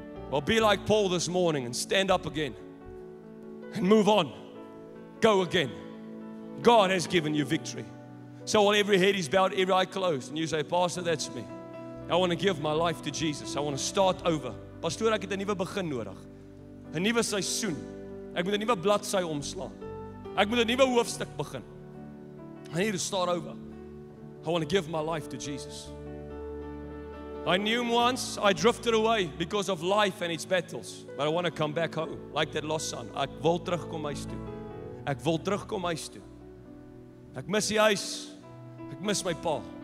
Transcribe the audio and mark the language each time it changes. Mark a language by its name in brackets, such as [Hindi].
[English] Well, be like Paul this morning and stand up again and move on. Go again. God has given you victory. So while every head is bowed, every eye closed, and you say, Pastor, that's me. I want to give my life to Jesus. I want to start over. [Afrikaans] Pastor, ek het 'n nuwe begin nodig. 'n Nuwe seisoen. Ek moet 'n nuwe bladsy omslaan. Ek moet 'n nuwe hoofstuk begin. [English] I need to start over. I want to give my life to Jesus. I knew him once. I drifted away because of life and its battles. But I want to come back home like that lost son. [Afrikaans] Ek wil terugkom huis toe. Ek wil terugkom huis toe. Ek mis die huis. Ek mis my pa.